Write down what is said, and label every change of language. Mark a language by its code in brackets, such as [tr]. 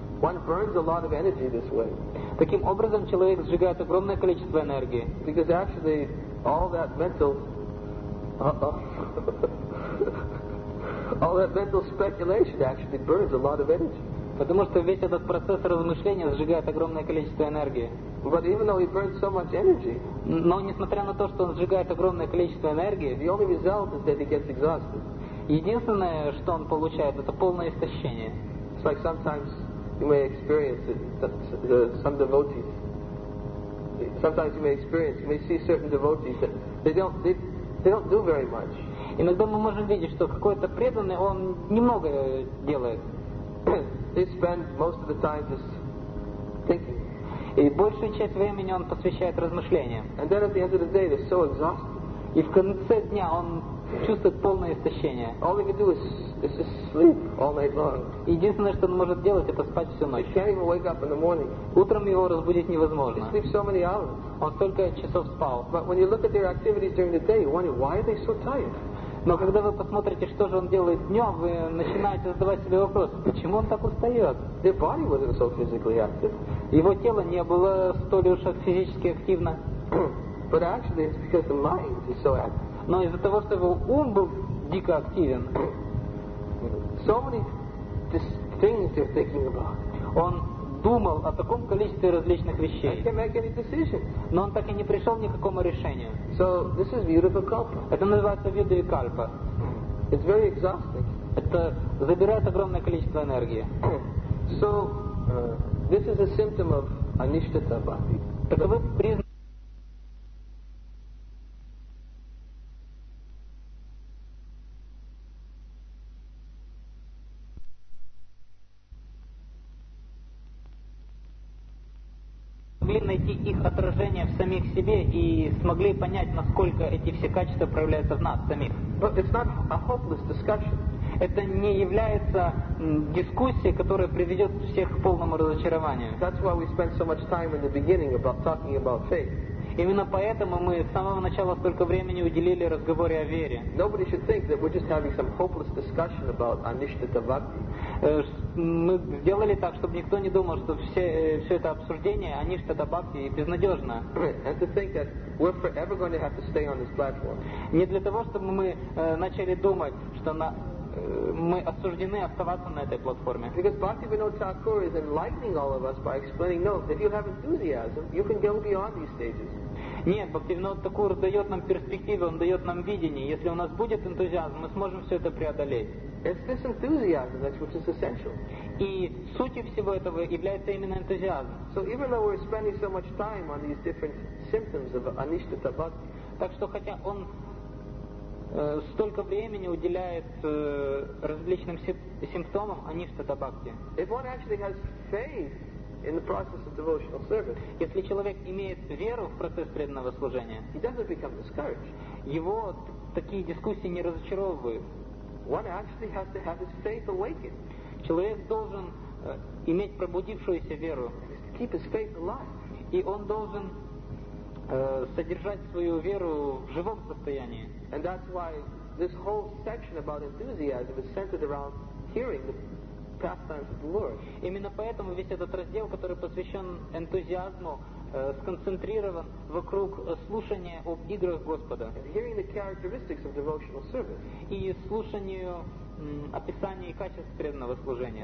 [en] One burns a lot of energy this way. [ru] Таким образом человек сжигает огромное количество энергии. [en] Because actually, all that mental Uh-oh. All that mental speculation actually burns a lot of energy. [ru] Потому что весь этот процесс размышления сжигает огромное количество энергии. [en] But even though he burns so much energy, [ru] но несмотря на то, что он сжигает огромное количество энергии, [en] the only result is that he gets exhausted. [ru] Единственное, что он получает, это полное истощение. [en] It's like sometimes you may experience it, some devotees. Sometimes you may experience, you may see certain devotees that they don't do very much. [ru] Иногда мы можем видеть, что какой-то преданный, он немного делает. [en] They spend most of the time just thinking. [ru] И большую часть времени он посвящает размышлениям. [en] And then at the end of the day, they're so exhausted. [ru] И в конце дня он чувствует полное истощение. [en] All he can do is just sleep all night long. [ru] Единственное, что он может делать, это спать всю ночь. [en] He can't even wake up in the morning. [ru] Утром его разбудить невозможно. [en] He sleeps so many hours. [ru] Он столько часов спал. [en] But when you look at their activities during the day, you wonder why are they so tired. [ru] Но когда вы посмотрите, что же он делает днем, вы начинаете задавать себе вопрос, почему он так устает? [en] Their body wasn't so physically active. [ru] Его тело не было столь уж физически активно. [en] But actually, it's because the mind is so active. [ru] Но из-за того, что его ум был дико активен, [en] so many things they're thinking about. [ru] Он думал о таком количестве различных вещей. [en] I can't make any decisions. [ru] Но он так и не пришел ни к какому решению. [en] So, this is Vidya-vikalpa. [ru] Это называется Vidya-vikalpa. [en] It's very exhausting. [ru] Это забирает огромное количество энергии. [en] So, this is a symptom of anishtata bhakti. [ru] Таковы признаки. Отражение в самих себе и смогли понять, насколько эти все качества проявляются в нас самих. [en] But it's not a hopeless discussion. [ru] Это не является дискуссией, которая приведет всех к полному разочарованию. [en] That's why we spend so much time in the beginning about talking about faith. [ru] Именно поэтому мы с самого начала столько времени уделили разговоре о вере. [en] Nobody should think that we're just having some hopeless discussion about anishtata bhakti. [ru] Мы сделали так, чтобы никто не думал, что все это обсуждение аништа бхакти безнадежно. [en] And to think that we're forever going to have to stay on this platform. [ru] Не для того, чтобы мы начали думать, что мы осуждены оставаться на этой платформе. [en] Because Bhaktivinoda Thakur is enlightening all of us by explaining, no, if you have enthusiasm, you can go beyond these stages. [ru] Нет, Бхактивинода Такур дает нам перспективы, он дает нам видение. Если у нас будет энтузиазм, мы сможем все это преодолеть. [en] It's this enthusiasm that's which is essential. [ru] И сутью всего этого является именно энтузиазм. [en] So even though we're spending so much time on these different symptoms of anishtata bhakti. [ru] Так что хотя он столько времени уделяет различным симптомам аништата бхакти. [en] If one actually has faith in the process of devotional service. [ru] Если человек имеет веру в процесс преданного служения, [en] he doesn't become discouraged. [ru] Его такие дискуссии не разочаровывают. [en] One actually has to have his faith awakened. [ru] Человек должен иметь пробудившуюся веру. [en] Keep his faith alive. [ru] И он должен содержать свою веру в живом состоянии. [en] And that's why this whole section about enthusiasm is centered around hearing the pastimes of the Lord. [ru] Именно поэтому весь этот раздел, который посвящен энтузиазму, сконцентрирован вокруг слушания об играх Господа. [en] And hearing the characteristics of devotional service. [ru] И слушанию описания и качеств преданного служения.